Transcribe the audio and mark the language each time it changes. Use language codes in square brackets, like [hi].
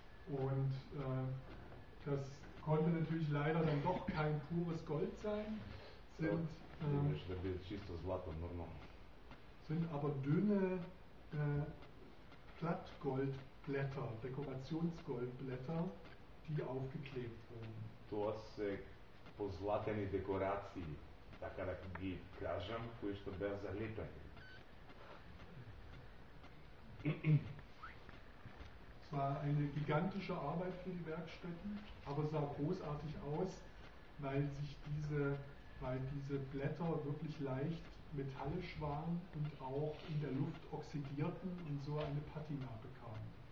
[de] Und das konnte natürlich leider dann doch kein pures Gold sein, sind aber dünne Plattgoldblätter, Dekorationsgoldblätter, die aufgeklebt wurden. [mk] Позлатени декорации, така да ги кажам, кои што беа залепени. [de] Es war eine gigantische Arbeit für die Werkstätten, aber sah großartig aus, weil diese Blätter wirklich leicht metallisch waren und auch in der Luft oxidierten und so eine Patina bekamen.